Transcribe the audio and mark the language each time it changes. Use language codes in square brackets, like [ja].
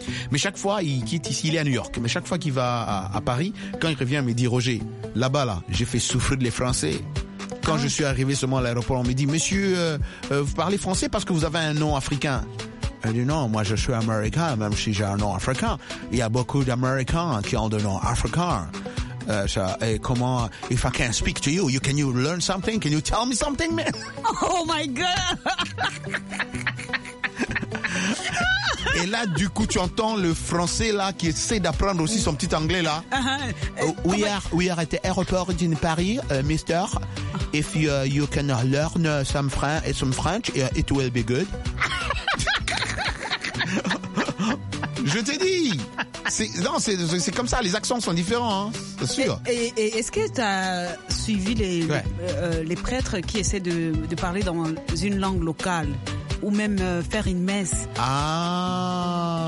[fr] Mais chaque fois, il quitte ici, il est à New York. Mais chaque fois qu'il va à Paris, quand il revient, il me dit, Roger, là-bas, là, j'ai fait souffrir les Français. Quand je suis arrivé seulement à l'aéroport, on me dit, monsieur, vous parlez français parce que vous avez un nom africain. Elle dit non, moi je suis américain, même si j'ai un nom africain. Il y a beaucoup d'Américains qui ont des noms africains. Et comment, [en] if I can't speak to you, can you learn something? Can you tell me something, man? Oh my God! [fr] Et là, du coup, tu entends le français là qui essaie d'apprendre aussi son petit anglais là. [en] We are at the airport in Paris, mister. If you can learn some French, it will be good. [fr] Je t'ai dit, c'est comme ça, les accents sont différents, hein, c'est sûr. Et est-ce que t'as suivi les prêtres qui essaient de parler dans une langue locale ou même faire une messe? Ah.